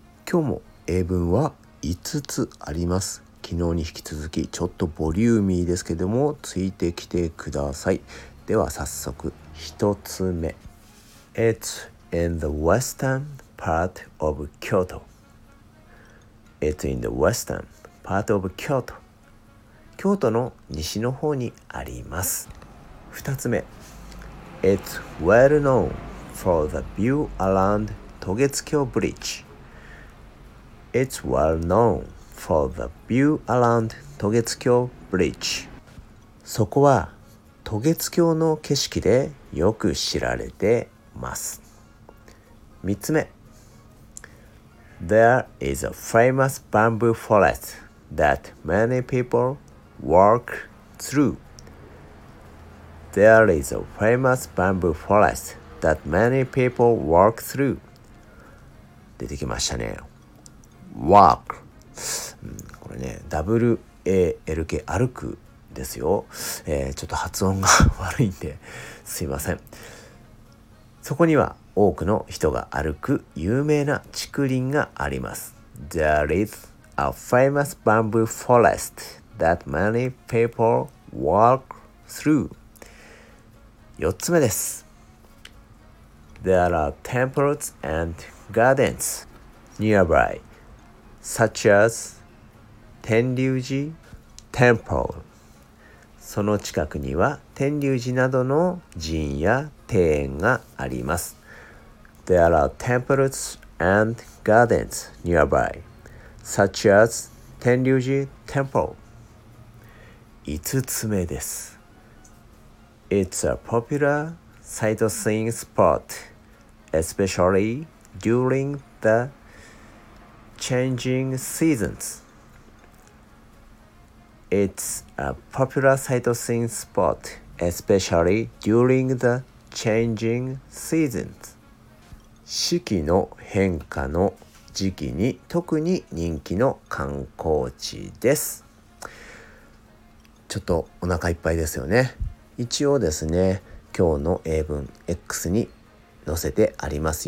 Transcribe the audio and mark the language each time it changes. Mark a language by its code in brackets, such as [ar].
[ja] 今日も英文は5つあります。昨日に引き続きちょっとボリューミーですけども、ついてきてください。では早速1つ目、 [en] It's in the western part of Kyoto. It's in the western part of Kyoto. [ja] 京都の西の方にあります。 2つ目、 [en] It's well known for the view around Togetsukyo Bridge. It's well known for the view around Togetsukyo Bridge. [ja] そこは渡月橋の景色でよく知られています。 3つ目、 [en] There is a famous bamboo forest that many people walk through. There is a famous bamboo forest that many people walk through. [ja] 出てきましたね。walk、これね、W-A-L-K、歩くですよ。ちょっと発音が悪いんですいません。そこには多くの人が歩く有名な竹林があります。 [en] There is a famous bamboo forest that many people walk through. [ja] 4つ目です。 [en] There are temples and gardens nearby, such as 天龍寺 temple. [ja] その近くには天龍寺などの寺院や庭園があります。 [en] There are temples and gardens nearby, such as 天龍寺 temple. [ja] 5つ目です。 [en] It's a popular sightseeing spot, especially during the changing seasons. It's a popular sightseeing spot, especially during the changing seasons. [ja] 四季の変化の時期に特に人気の観光地です。ちょっとお腹いっぱいですよね。一応ですね、今日の英文 X に載せてあります。